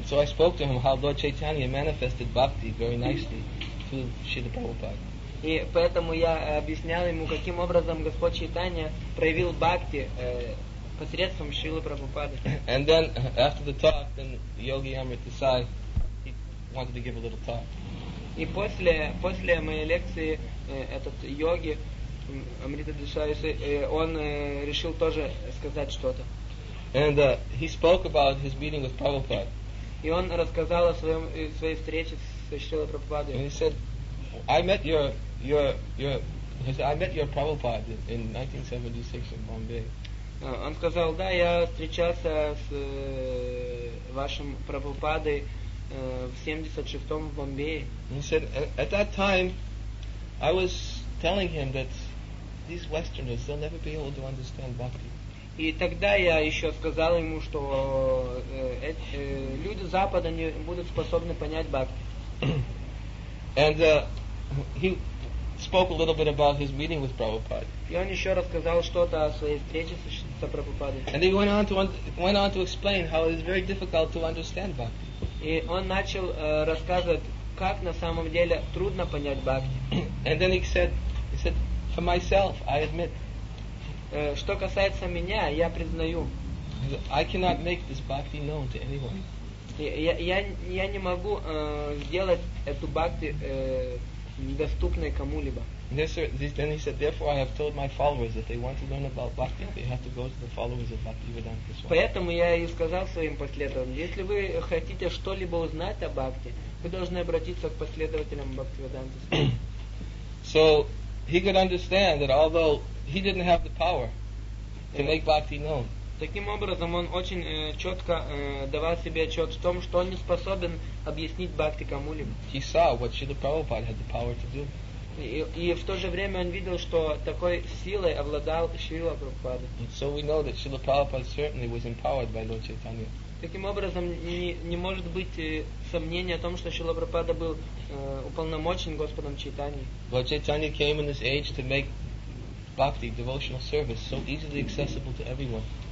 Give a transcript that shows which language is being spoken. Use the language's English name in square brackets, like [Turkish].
[English] So I spoke to him how Lord Chaitanya manifested bhakti very nicely through Śrīla Prabhupāda. [Russian] И поэтому я объяснял ему, каким образом Господь Чайтанья проявил бхакти посредством Шрилы Прабхупады. [English] And then after the talk, then Yogi Amrita Sai wanted to give a little talk. [Russian] И после моей лекции этот йоги Амрита Десай, он решил тоже сказать что-то. [English] And he spoke about his meeting with Prabhupada. [Russian] И он рассказал о своей встрече с Шрилой Прабхупадой. [English] And he said, I met your Prabhupada in 1976 in Bombay. [Russian] Он сказал, да, я встречался с вашим Прабхупадой в 76-м в Бомбее. [English] He said, at that time, I was telling him that these Westerners, they'll never be able to understand bhakti. [Russian] И тогда я еще сказал ему, что люди Запада не будут способны понять бхакти. [English] And he spoke a little bit about his meeting with Prabhupada. [Russian] И он еще рассказал что-то о своей встрече с Прабхупадой. [English] And he went on to explain how it is very difficult to understand bhakti. [Russian] И он начал рассказывать, как на самом деле трудно понять бхакти. [English] And then he said, for myself, I admit. [Russian] Что касается меня, я признаю. [English] I cannot make this bhakti known to anyone. [Russian] Я не могу сделать эту бхакти доступной кому-либо. [English] Then he said, therefore I have told my followers that they want to learn about bhakti, they have to go to the followers of Bhaktivedanta Swami. [Russian] Поэтому я и сказал своим последователям, если вы хотите что-либо узнать о бхакти, вы должны обратиться к последователям Бхактивиданты Свами. [English] So he could understand that although he didn't have the power to make bhakti known. [Russian] Таким образом, он очень четко давал себе отчет в том, что он не способен объяснить бхакти кому-либо. [English] He saw what Śrīla Prabhupāda had the power to do. [Russian] И в то же время он видел, что такой силой обладал Шрила Прабхупада. [English] So we know that Śrīla Prabhupāda certainly was empowered by Lord Chaitanya. [Russian] Таким образом, не может быть сомнения о том, что Śrīla Prabhupāda был уполномочен Господом Чайтаньей. [English] Lord Chaitanya came in this age to make bhakti, devotional service, so easily accessible to everyone.